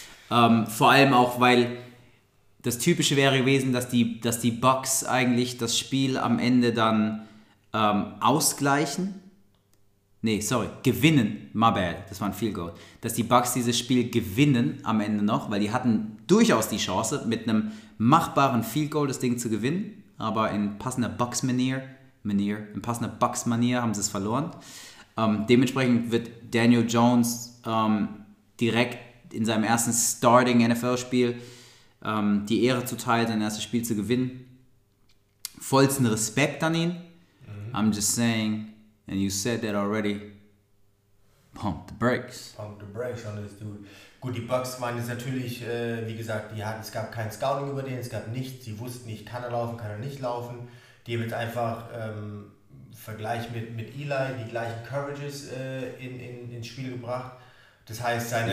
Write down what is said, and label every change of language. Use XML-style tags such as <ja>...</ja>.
<de>Vor allem auch, weil das Typische wäre gewesen, dass die Bucks eigentlich das Spiel am Ende dann gewinnen,</de> <en>my bad,</en> <de>das war ein Field Goal, dass die Bucks dieses Spiel gewinnen am Ende noch, weil die hatten durchaus die Chance, mit einem machbaren Field Goal das Ding zu gewinnen, aber in passender Bucks-Manier Manier, in passender Bucks-Manier haben sie es verloren. Dementsprechend wird Daniel Jones direkt in seinem ersten Starting-NFL-Spiel die Ehre zuteil, sein erstes Spiel zu gewinnen. Vollsten Respekt an ihn. Mhm.</de> <en>I'm just saying, and you said that already, pump the brakes. Pump the brakes on this dude.</en> <de>Gut, die Bucks waren jetzt natürlich, wie gesagt, die hatten, es gab kein Scouting über den, es gab nichts, sie wussten nicht, kann er laufen, kann er nicht laufen. Die haben jetzt einfach Vergleich mit Eli die gleichen Coverages ins Spiel gebracht. Das heißt, seine...</de>